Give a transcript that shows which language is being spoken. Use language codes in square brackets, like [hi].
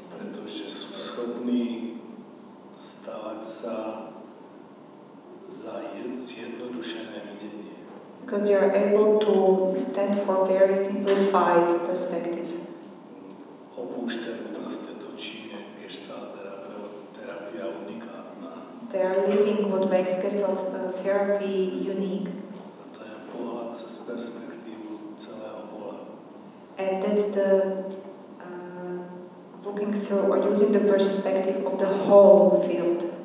[sk] Pretože sú schopní stavať sa za zjednodušené videnie. [en] Because they are able to stand for very simplified perspective. [sk] Opúšťajú proste to, čím je gestalt terapia unikátna. [en] They are living what makes gestalt therapy unique. [sk] A to je pohľad cez perspektívu celého pole. [en] And that's the looking through or using the perspective of the whole field.